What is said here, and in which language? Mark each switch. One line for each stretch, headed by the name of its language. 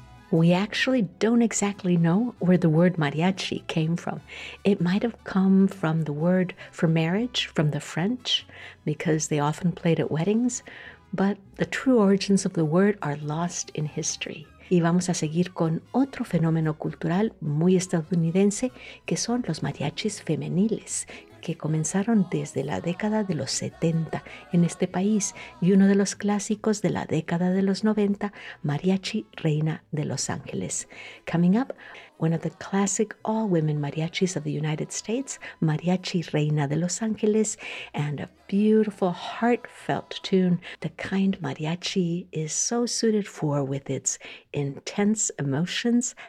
English: We actually don't exactly know where the word mariachi came from. It might have come from the word for marriage from the French, because they often played at weddings, but the true origins of the word are lost in history.
Spanish: Y vamos a seguir con otro fenómeno cultural muy estadounidense, que son los mariachis femeniles, que comenzaron desde la década de los 70 en este país, y uno de los clásicos de la década de los 90, Mariachi Reina de Los Ángeles.
English: Coming up, one of the classic all-women mariachis of the United States, Mariachi Reina de Los Ángeles, and a beautiful, heartfelt tune, the kind mariachi is so suited for with its intense emotions.